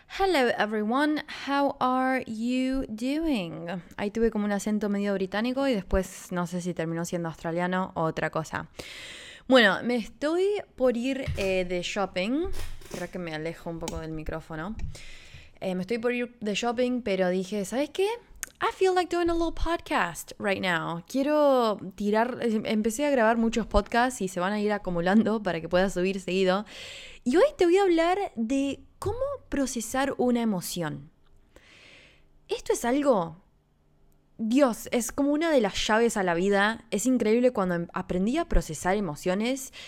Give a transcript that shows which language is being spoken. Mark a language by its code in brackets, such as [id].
[en] Hello everyone, how are you doing? [es] Ahí tuve como un acento medio británico y después no sé si terminó siendo australiano o otra cosa. Bueno, me estoy por ir de shopping. Creo que me alejo un poco del micrófono. Me estoy por ir de shopping, pero dije, ¿sabes qué? [en] I feel like doing a little podcast right now. [es] Quiero tirar. Empecé a grabar muchos podcasts y se van a ir acumulando para que pueda subir seguido. Y hoy te voy a hablar de cómo procesar una emoción. Esto es algo. Dios, es como una de las llaves a la vida. Es increíble cuando aprendí a procesar emociones.